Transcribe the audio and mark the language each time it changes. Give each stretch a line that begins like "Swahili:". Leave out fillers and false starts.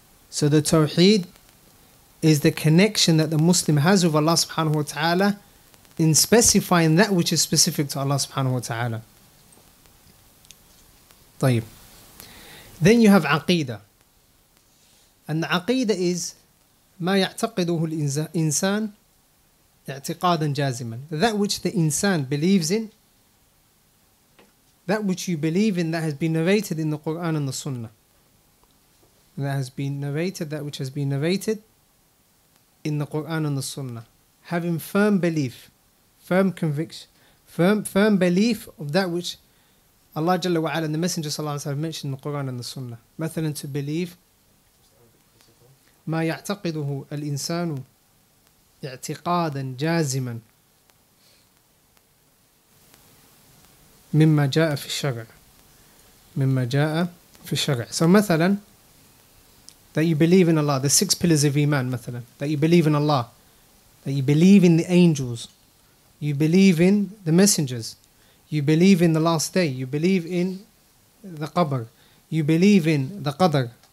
English: So the tawheed is the connection that the Muslim has with Allah subhanahu wa ta'ala in specifying that which is specific to Allah subhanahu wa ta'ala.
Arabic: طيب.
English: Then you have aqeedah. And the aqeedah is
Arabic: ما يعتقده الإنسان اعتقادا جازما.
English: That which the insan believes in, that which you believe in, that has been narrated in the Quran and the Sunnah. That has been narrated, that which has been narrated in the Quran and the Sunnah. Having firm belief, firm conviction, firm belief of that which Allah Jalla wa'ala and the Messenger Sallallahu Alaihi Wasallam mentioned in the Quran and the Sunnah.
Arabic: مثلا
English: to believe
Arabic: ما يعتقده الإنسان اعتقادا جازما مما جاء في الشرع مما جاء في الشرع.
English: So مثلا that you believe in Allah, the six pillars of Iman, مثلا that you believe in Allah, that you believe in the angels, you believe in the messengers, you believe in the last day, you believe in the qabr, you believe in the qadr.